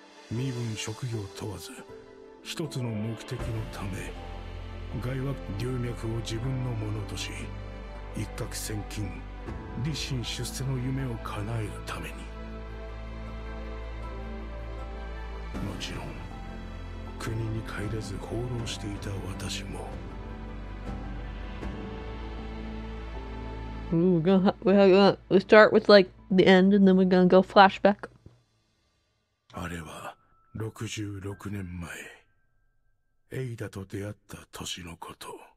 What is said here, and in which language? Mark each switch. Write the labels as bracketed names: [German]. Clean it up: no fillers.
[Japanese] 身分職業問わず、一つの目的のため、外惑龍脈を自分のものとし、一攫千金、立身出世の夢を叶えるために。もちろん国に帰れず放浪していた私も。 [English] Ooh, we're gonna we start with like the end and then we're gonna go flashback. [Japanese] あれは66年前、エイダと出会った年のこと。